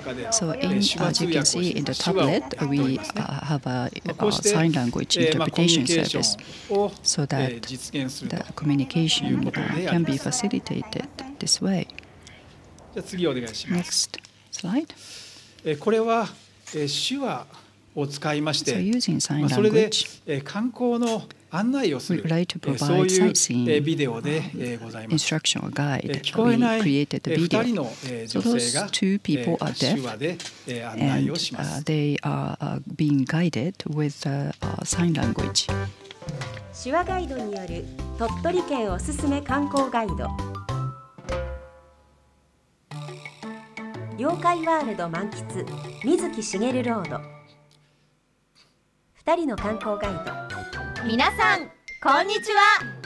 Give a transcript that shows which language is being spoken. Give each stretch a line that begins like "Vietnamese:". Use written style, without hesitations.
English: So as you can see in the tablet, we have a sign language interpretation service so that the communication can be facilitated. This way.
Japanese: じゃあ次お願いします。
English: Next slide.
Japanese: これは手話を使いまして、
English: so using sign language,
Japanese: それで観光の案内をする、
English: like、
Japanese: そういうビデオでございます。
English: Instruction or guide.
Japanese: 聞こえない2人の女性が、
English: so、those two people are deaf,
Japanese: 手話で案内をします。
English: And, they are being guided with sign language.
Japanese: 手話ガイドによる鳥取県おすすめ観光ガイド。妖怪ワールド満喫水木しげるロード2人の観光ガイド。皆さんこんにちは。